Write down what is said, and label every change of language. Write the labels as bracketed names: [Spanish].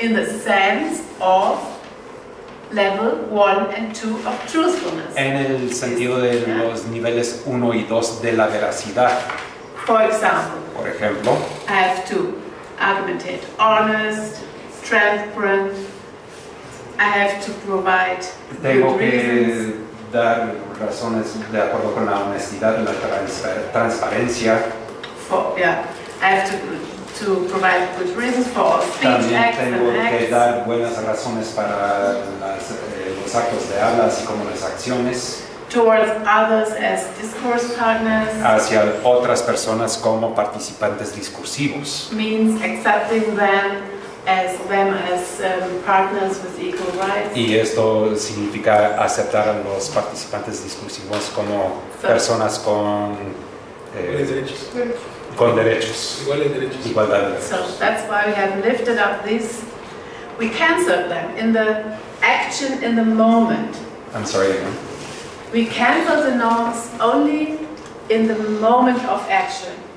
[English] in the sense of level 1 and 2 of truthfulness, [Spanish] en el sentido de los niveles 1 y 2 de la veracidad. [English] For example, [Spanish] por ejemplo, [English] I have to argumentate honest, transparent, I have to provide [Spanish] tengo [English] good reasons, [Spanish] que dar razones de acuerdo con la honestidad y la transparencia. [English] I have to provide good reasons for speech, [Spanish] también [English] acts, [Spanish] tengo [English] and [Spanish] que [English] acts, [Spanish] dar buenas razones para las, los actos de habla, así como las acciones. [English] Towards others as discourse partners, [Spanish] hacia otras personas como participantes discursivos. [English] Means accepting them as them as partners with equal rights. [Spanish] Y esto significa aceptar a los participantes discursivos como personas con derechos. Igual de derechos. Igualdad de derechos. [English] So that's why we have lifted up this. We cancel them in the action in the moment. I'm sorry. We cancel the norms only in the moment of action.